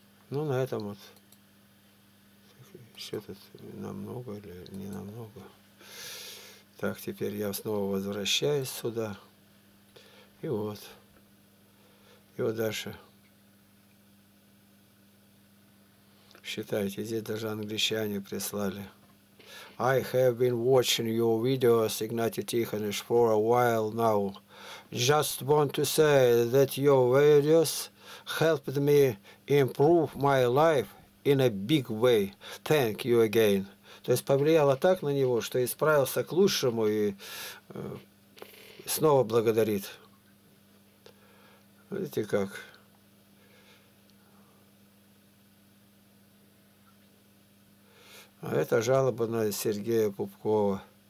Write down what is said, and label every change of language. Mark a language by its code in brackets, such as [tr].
[ru] Ну, на этом вот. Еще тут намного или не намного. Так, теперь я снова возвращаюсь сюда. И вот. И вот дальше. Считайте, здесь даже англичане прислали. [en] I have been watching your videos, Ignatiy Tikhonich, for a while now. Just want to say that your videos helped me improve my life in a big way. Thank you again. [ru] То есть повлияло так на него, что исправился к лучшему и снова благодарит. Видите как? А это жалоба на Сергея Пупкова.